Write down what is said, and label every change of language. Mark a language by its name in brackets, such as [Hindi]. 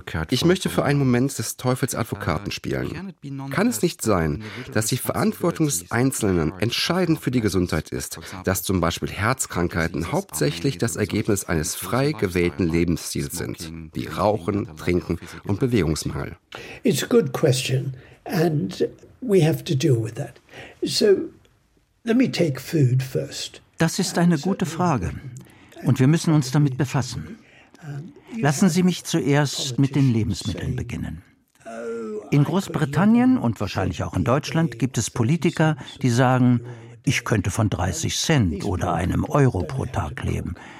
[German] Ich möchte für einen Moment des Teufels Advokaten spielen. Kann es nicht sein, dass die Verantwortung des Einzelnen entscheidend für die Gesundheit ist, dass zum Beispiel Herzkrankheiten hauptsächlich das Ergebnis eines frei gewählten Lebensstils sind, wie Rauchen, Trinken und Bewegungsmangel? [English] It's a good question, and we have to deal with that. So, let me take food first. [German] Das ist eine gute Frage, und wir müssen uns damit befassen. Lassen Sie mich zuerst mit den Lebensmitteln beginnen. In Großbritannien und wahrscheinlich auch in Deutschland gibt es Politiker, die sagen, ich könnte von 30 Cent oder einem Euro pro Tag leben.